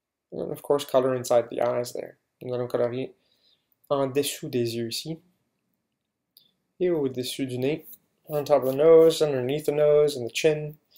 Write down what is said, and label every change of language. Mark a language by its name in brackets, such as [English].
[English] And of course, color inside the eyes there. [French] Nous allons colorier en dessous des yeux ici. Et au-dessus du nez. [English] On top of the nose, underneath the nose, and the chin.